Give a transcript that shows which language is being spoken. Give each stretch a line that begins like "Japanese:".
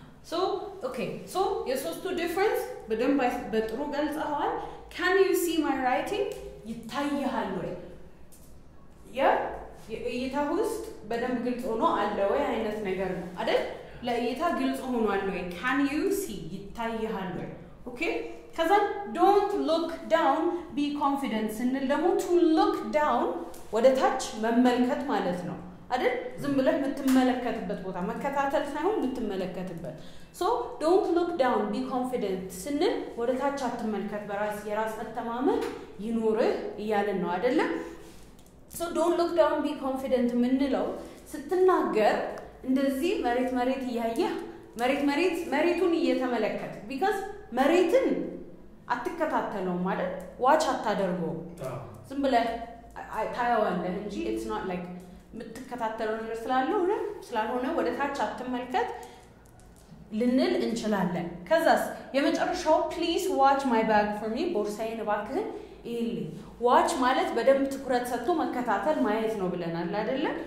Amharic: So okay, so የሶስቱ ዲፈረንስ በደንብ በጥሩ ገልጸዋል.
English: Can you see my writing?
Amharic: ይታያል ወይ? ያ እይታ ውስጥ በደንብ ግልጽ ሆኖ አለ ወይ አይነት ነገር ነው አይደል? ለእይታ ግልጽ ሆኖ አለ ወይ?
English: Can you see?
Amharic: ይታያል ወይ? Okay?
English: ከዛ don't look down, be confident.
Amharic: እንዴ ደሞ
English: to look down
Amharic: ወደ ታች መመልከት ማለት ነው አይደል? ዝም ብለህ የምትመለከትበት ቦታ መከታተል ሳይሆን የምትመለከትበት.
English: So don't look down, be confident.
Amharic: ስንል ወደ ታች አትመልከት በራስ የራስ መተማመን ይኖርህ እያልን ነው አይደለ?
English: So don't look down, be confident
Amharic: ምንለው ስትናገር እንደዚህ መሬት እያየህ መሬት መሬት መሬቱን እየተመለከት because መሬትን አትከታተለው ማለት watch አታደርገው ዝም ብለህ ታየዋለህ እንጂ
English: it's not like
Amharic: የምትከታተለው ነገር ስላልሆነ ወደ ታች አትመልከት ልንል እንችላለን። ከዛስ የመጨረሻው
English: please watch my bag for me
Amharic: ቦርሳዬን እባክህን ይልኝ። watch ማለት በደንብ ትኩረት ሰጥቶ መከታተል ማየት ነው ብለናል አይደለ?